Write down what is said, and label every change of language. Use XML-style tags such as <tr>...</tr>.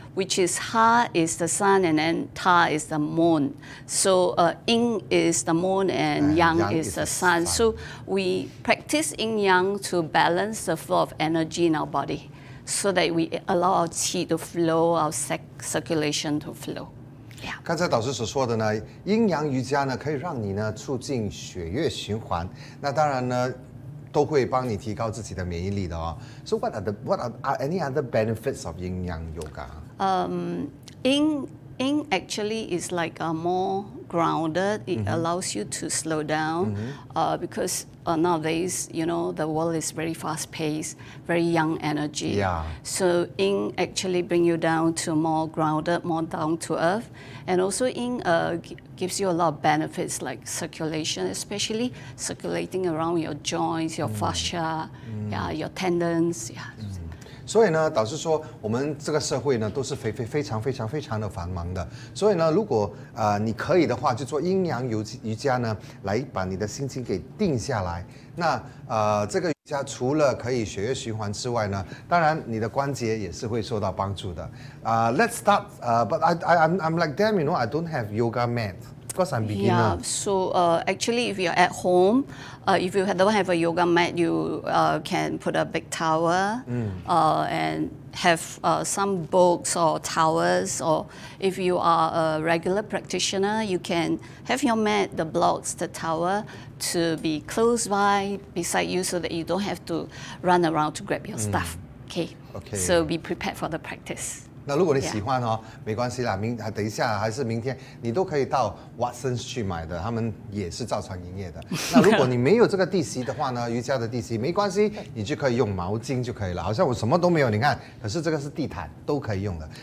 <en>Which is Ha is the sun and then Ta is the moon. So Yin is the moon and Yang is the sun. So we practice Yin Yang to balance the flow of energy in our body so that we allow our qi to flow, our circulation to flow.</en> <zh>刚才导师所说的呢，阴阳瑜伽呢可以让你呢促进血液循环，那当然呢都会帮你提高自己的免疫力的哦。</zh> <en>So what are any other benefits of Yin Yang Yoga? Yin actually is like a more grounded. It mm-hmm. allows you to slow down mm-hmm. Because nowadays, you know, the world is very fast paced, very young energy. Yeah. So Yin actually bring you down to more grounded, more down to earth. And also Yin gives you a lot of benefits like circulation, especially circulating around your joints, your fascia, yeah, your tendons. Yeah. Mm-hmm.</en> <zh>所以呢，导致说我们这个社会呢都是非常的繁忙的。所以呢，如果你可以的话，就做阴阳瑜伽呢，来把你的心情给定下来。那这个瑜伽除了可以血液循环之外呢，当然你的关节也是会受到帮助的。</zh> <en>Let's start. But I'm like them, you know, I don't have yoga mat. Because I'm beginner. Yeah, so actually if you're at home, if you don't have a yoga mat, you can put a big towel and have some books or towels. Or if you are a regular practitioner, you can have your mat, the blocks, the towel to be close by beside you so that you don't have to run around to grab your stuff. Okay. Okay. So be prepared for the practice.</en> <zh>那如果你喜欢哦， yeah. 没关系啦，等一下还是明天，你都可以到 Watson's 去买的，他们也是照常营业的。那如果你没有这个地席的话呢，瑜伽的地席没关系，你就可以用毛巾就可以了。好像我什么都没有，你看，可是这个是地毯，都可以用的。</zh>